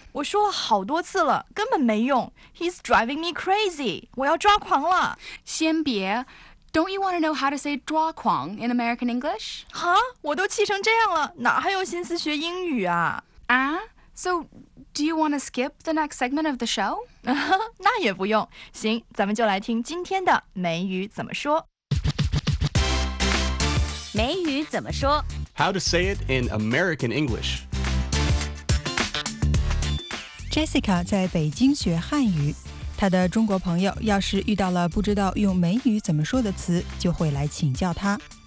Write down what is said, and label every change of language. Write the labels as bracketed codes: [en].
[zh] 我说了好多次了，根本没用。 [en] He's driving me crazy. 我要抓狂了。 [zh] 先别。 [en] Don't you want to know how to say 抓狂 in American English? [zh] Huh? 我都气成这样了，哪还有心思学英语啊？ [en] So... Do you want to skip the next segment of the show? [zh] 那也不用。行，咱们就来听今天的美语怎么说。美语怎么说 [en] ？How to say it in American English? [zh] Jessica 在北京学汉语，她的中国朋友要是遇到了不知道用美语怎么说的词，就会来请教她。